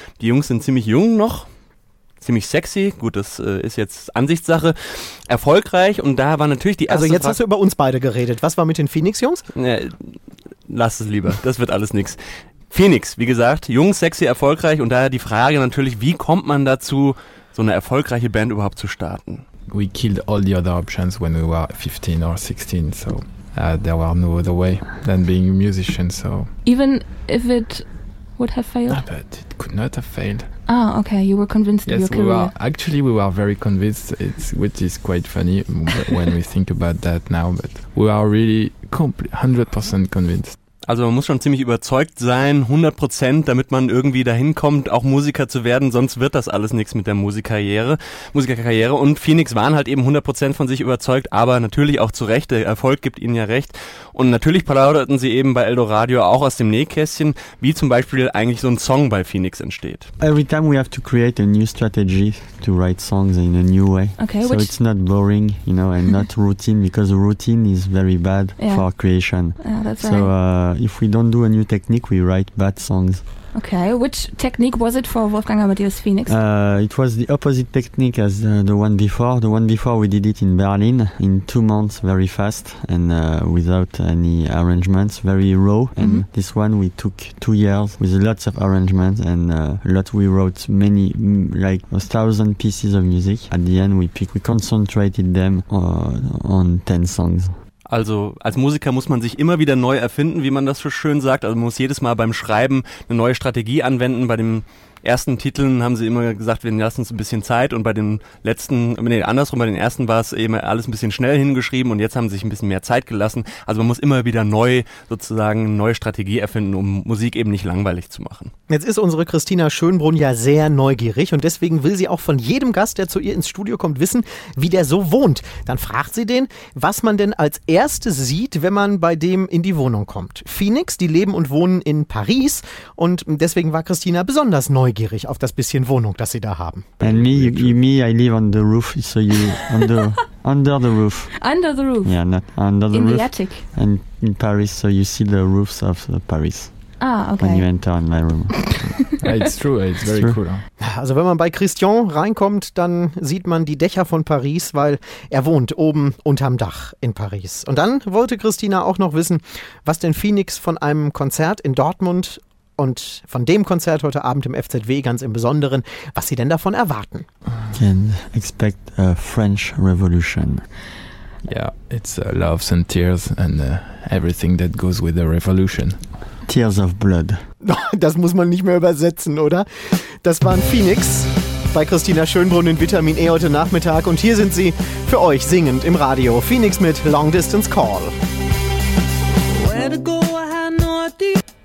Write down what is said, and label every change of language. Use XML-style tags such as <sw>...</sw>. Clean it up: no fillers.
<de>Die Jungs sind ziemlich jung noch. Ziemlich sexy, gut, das ist jetzt Ansichtssache, erfolgreich und da war natürlich die erste Frage. Also jetzt hast du über uns beide geredet, was war mit den Phoenix-Jungs? Lass es lieber, das wird alles nix. Phoenix, wie gesagt, jung, sexy, erfolgreich und daher die Frage natürlich, wie kommt man dazu, so eine erfolgreiche Band überhaupt zu starten?</de> <en>We killed all the other options when we were 15 or 16, so there were no other way than being a musician, so. Even if it would have failed? No, but it could not have failed. Ah, okay, you were convinced yes, of your career. Yes, we were very convinced, which is quite funny when we think about that now, but we are really 100% convinced.</en> <de>Also man muss schon ziemlich überzeugt sein, 100%, damit man irgendwie dahin kommt, auch Musiker zu werden, sonst wird das alles nichts mit der Musikerkarriere. Und Phoenix waren halt eben 100% von sich überzeugt, aber natürlich auch zu Recht, der Erfolg gibt ihnen ja recht. Und natürlich plauderten sie eben bei Eldoradio auch aus dem Nähkästchen, wie zum Beispiel eigentlich so ein Song bei Phoenix entsteht.</de> <en>Every time we have to create a new strategy to write songs in a new way. Okay, so it's not boring, you know, and not routine, because routine is very bad for creation. Yeah, that's so, right. If we don't do a new technique, we write bad songs. Okay, which technique was it for Wolfgang Amadeus Phoenix? It was the opposite technique as the one before. The one before we did it in Berlin in 2 months, very fast and without any arrangements, very raw. And mm-hmm. This one we took 2 years with lots of arrangements and we wrote many, like 1,000 pieces of music. At the end we concentrated them on 10 songs.</en> <de>Also als Musiker muss man sich immer wieder neu erfinden, wie man das so schön sagt. Also man muss jedes Mal beim Schreiben eine neue Strategie anwenden. Bei den ersten Titeln haben sie immer gesagt, wir lassen uns ein bisschen Zeit. Und bei den letzten, nee, andersrum, bei den ersten war es eben alles ein bisschen schnell hingeschrieben und jetzt haben sie sich ein bisschen mehr Zeit gelassen. Also man muss immer wieder neu sozusagen eine neue Strategie erfinden, um Musik eben nicht langweilig zu machen. Jetzt ist unsere Christina Schönbrunn ja sehr neugierig und deswegen will sie auch von jedem Gast, der zu ihr ins Studio kommt, wissen, wie der so wohnt. Dann fragt sie den, was man denn als Erstes sieht, wenn man bei dem in die Wohnung kommt. Phoenix, die leben und wohnen in Paris und deswegen war Christina besonders neugierig auf das bisschen Wohnung, das sie da haben.</de> <en>And me, I live on the roof, so you, under the roof. Under the roof? Yeah, not under the in roof. In the attic? And in Paris, so you see the roofs of Paris. Ah, okay. When you enter in my room. It's true, it's very true. Cool. Also wenn man bei Christian reinkommt, dann sieht man die Dächer von Paris, weil er wohnt oben unterm Dach in Paris. Und dann wollte Christina auch noch wissen, was denn Phoenix von einem Konzert in Dortmund und von dem Konzert heute Abend im FZW ganz im Besonderen, was sie denn davon erwarten. Can expect a French Revolution. Yeah, it's loves and tears and everything that goes with the revolution. Tears of blood.</en> <de>Das muss man nicht mehr übersetzen, oder? Das waren Phoenix bei Christina Schönbrunn in Vitamin E heute Nachmittag. Und hier sind sie für euch singend im Radio. Phoenix mit Long Distance Call.</de> <en>Where to go, I have no idea.</en>